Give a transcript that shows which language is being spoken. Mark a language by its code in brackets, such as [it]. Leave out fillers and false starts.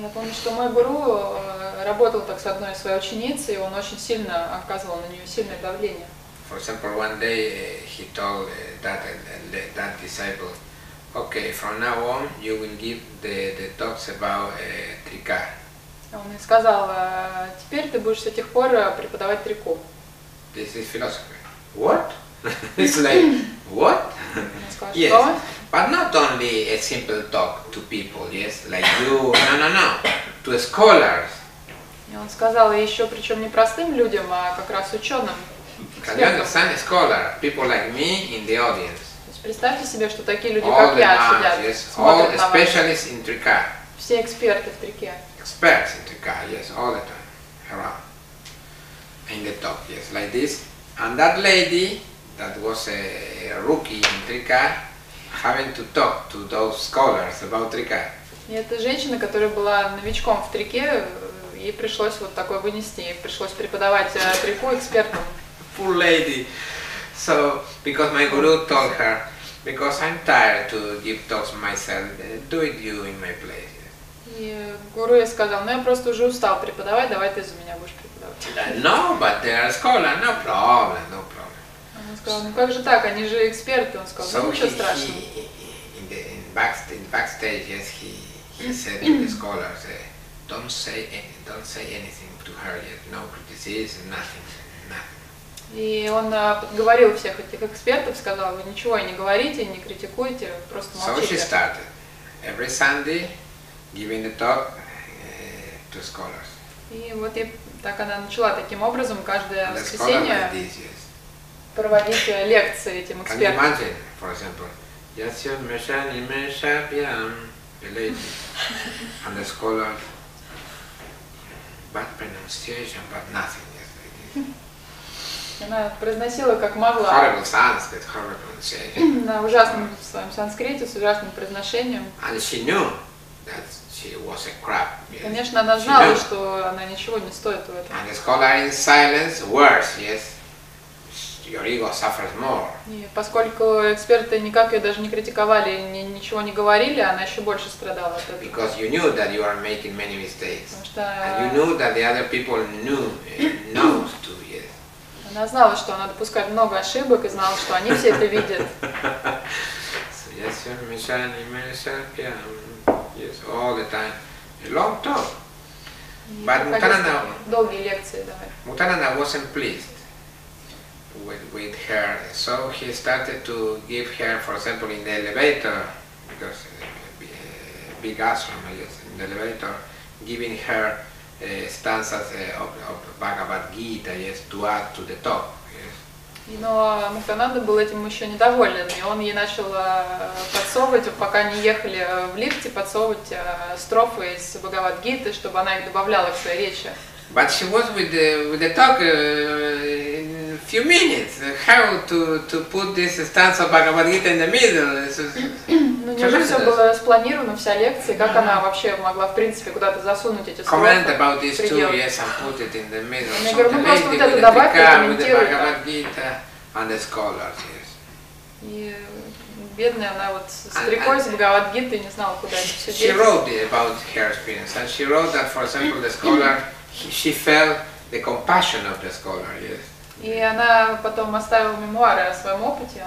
[ru] Я помню, что мой гуру работал так с одной своей ученицей, и он очень сильно оказывал на нее сильное давление. [en] For example, one day he told that disciple, okay, from now on you will give the talks about трика. [ru] Он ей сказал, теперь ты будешь с тех пор преподавать трику. [en] This is philosophy. What? It's like, what? Yes, but not only a simple talk to people, yes, like you, no, to scholars. [ru] И он сказал еще, причем не простым людям, а как раз ученым. [en] Can you understand a scholar, people like me in the audience? [ru] То есть представьте себе, что такие люди, [en] all [ru] как я, сидят, смотрят на вас. [en] All specialists in трика. [ru] Все эксперты в трике. [en] Experts in трика, yes, all the time, around. In the talk, yes, like this. And that lady, that was a rookie in трика, having to talk to those scholars about трика. [ru] И эта женщина, которая была новичком в трике, ей пришлось вот такое вынести, ей пришлось преподавать трику экспертам. [en] Poor lady. So, because my guru told her, because I'm tired to give talks myself, do it you in my place. [ru] И гуру ей сказал, ну я просто уже устал преподавать, давай ты за меня будешь преподавать. [en] No, but they are scholar, no problem. [ru] Он сказал, ну как же так, они же эксперты, он сказал, [en] so [ru] ничего страшного. [en] In backstage, yes, he said to the scholars, don't say anything to her yet, no criticism, nothing. [ru] И он подговорил всех этих экспертов, сказал, вы ничего не говорите, не критикуйте, просто молчите. [en] So she started, every Sunday, giving a talk to scholars. [ru] И вот и так она начала таким образом, каждое воскресенье, проводить лекции этим экспертам. [en] Can you imagine, for example, Yasyon Meshan Imeshabian, the lady, and the scholar, bad pronunciation, but nothing, yes, like this. [ru] Она произносила как могла. [en] Horrible Sanskrit, horrible pronunciation. [ru] На ужасном своем санскрите, с ужасным произношением. [en] And she knew that she was a crap. Yes. [ru] Конечно, она знала, что она ничего не стоит в этом. [en] And the scholar in silence, worse, yes. Your ego suffers more. [ru] И поскольку эксперты никак ее даже не критиковали, ничего не говорили, она еще больше страдала от этого. [en] Because you knew that you are making many mistakes. [ru] Потому что [en] and you knew that the other people knows too, yes. [ru] Она знала, что она допускает много ошибок и знала, что они все это видят. [en] So yes, you're missing myself, yes, all the time. A long talk. But Mutananda. [ru] Долгие лекции, давай. [en] Mutananda wasn't pleased with her, so he started to give her, for example, in the elevator, because big ashram, I guess, in the elevator, giving her stanzas of Bhagavad Gita, yes, to add to the talk, yes. [ru] Но Мухтананда был этим еще недоволен, и он ей начал подсовывать, пока они ехали в лифте, подсовывать строфы из Bhagavad Gita, чтобы она их добавляла к своей речи. [en] But she was with the talk in a few minutes. How to put this stanza of Bhagavad Gita in the middle? [ru] Ну, неужели все было спланировано, вся лекция? Как она вообще могла, в принципе, куда-то засунуть эти слова? [en] Comment about this too, yes, and put it in the middle. [ru] Я говорю, ну просто вот это добавь, комментируй. [en] With the Bhagavad Gita and the scholars, yes. [ru] Бедная она вот стрекой с Бхагавад Гиты не знала, куда это все деть. [en] She wrote about her experience, and she wrote that, for example, the scholar, she felt the compassion of the scholar, yes. [ru] И она потом оставила мемуары о своем опыте.